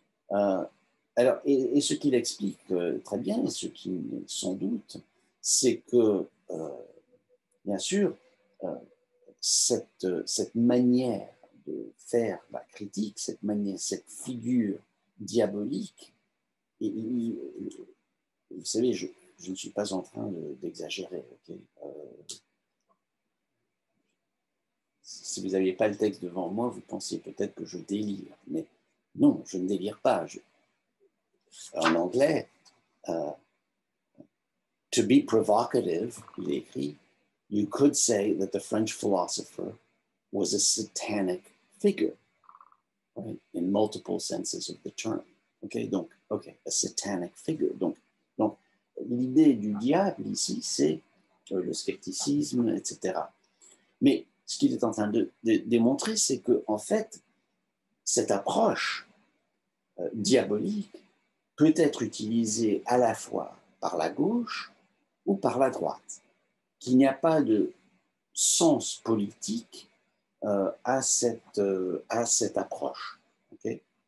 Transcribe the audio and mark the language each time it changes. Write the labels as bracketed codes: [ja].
[fr] Alors, et ce qu'il explique très bien, ce qui sans doute, c'est que, bien sûr, cette manière de faire la critique, cette figure diabolique, vous savez, je ne suis pas en train d'exagérer. Okay, si vous n'aviez pas le texte devant moi, vous pensiez peut-être que je délire, mais non, je ne délire pas. En anglais, [en] to be provocative, [fr] il est écrit, [en] you could say that the French philosopher was a satanic figure, right? In multiple senses of the term. A satanic figure. [fr] Donc l'idée du diable ici, c'est le scepticisme, etc. Mais ce qu'il est en train de démontrer, c'est que, en fait, cette approche diabolique peut être utilisée à la fois par la gauche ou par la droite, qu'il n'y a pas de sens politique à cette approche. Okay?